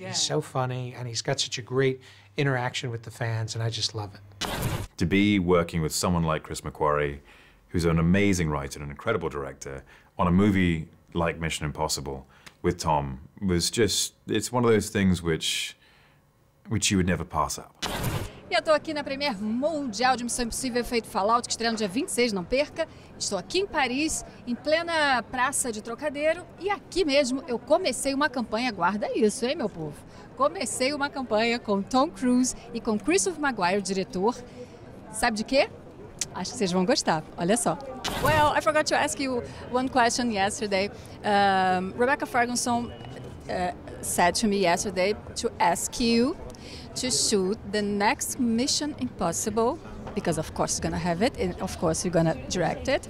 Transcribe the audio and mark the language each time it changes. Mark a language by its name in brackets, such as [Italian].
[English] Yeah. He's so funny, and he's got such a great interaction with the fans, and I just love it. To be working with someone like Chris McQuarrie, who's an amazing writer and an incredible director, on a movie like Mission Impossible with Tom, was just, it's one of those things which you would never pass up. [Portuguese] E eu tô aqui na premiere mundial de Missão Impossível Efeito Fallout, que estreia no dia 26, não perca. Estou aqui em Paris, em plena praça de Trocadeiro, e aqui mesmo eu comecei uma campanha, guarda isso, hein, meu povo? Comecei uma campanha com Tom Cruise e com Christopher Maguire, diretor. Sabe de quê? Acho que vocês vão gostar. Olha só. [English] Well, I forgot to ask you one question yesterday. Rebecca Ferguson said to me yesterday to ask you to shoot the next Mission Impossible because of course you're going to have it, and of course you're going to direct it.